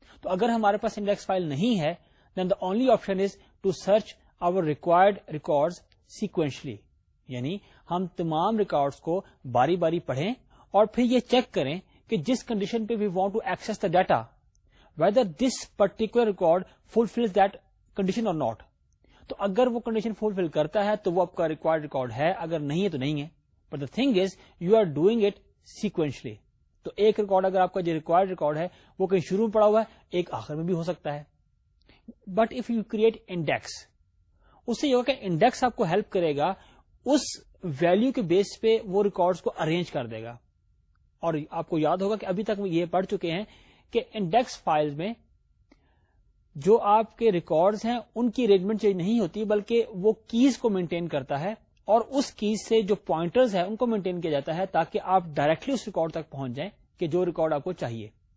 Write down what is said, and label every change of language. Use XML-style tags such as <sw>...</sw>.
<ur>تو اگر ہمارے پاس انڈیکس فائل نہیں ہے,</ur> <en>then the only option is to search our required records sequentially,</en> <ur>یعنی ہم تمام ریکارڈز کو باری باری پڑھیں اور پھر یہ چیک کریں کہ جس کنڈیشن پہ</ur> <en>We want to access the data, whether this particular record fulfils that condition or not.</en> <ur>تو اگر وہ کنڈیشن فلفل کرتا ہے تو وہ آپ کا ریکوائرڈ ریکارڈ ہے, اگر نہیں ہے تو نہیں ہے.</ur> <en>But the thing is you are doing it sequentially.</en> <ur>تو ایک ریکارڈ اگر آپ کا جو ریکوائرڈ ریکارڈ ہے وہ کہیں شروع میں پڑا ہوا ہے, ایک آخر میں بھی ہو سکتا ہے.</ur> <en>but if you create index,</en> <ur>اس سے یہ ہوگا کہ انڈیکس آپ کو ہیلپ کرے گا اس ویلیو کے بیس پہ وہ ریکارڈز کو ارینج کر دے گا. اور آپ کو یاد ہوگا کہ ابھی تک یہ پڑھ چکے ہیں کہ انڈیکس فائل میں جو آپ کے ریکارڈز ہیں ان کی ارینجمنٹ چینج نہیں ہوتی, بلکہ وہ کیز کو مینٹین کرتا ہے, اور اس کیز سے جو پوائنٹرز ہیں ان کو مینٹین کیا جاتا ہے تاکہ آپ ڈائریکٹلی اس ریکارڈ تک پہنچ جائیں کہ جو ریکارڈ آپ کو چاہیے.</ur>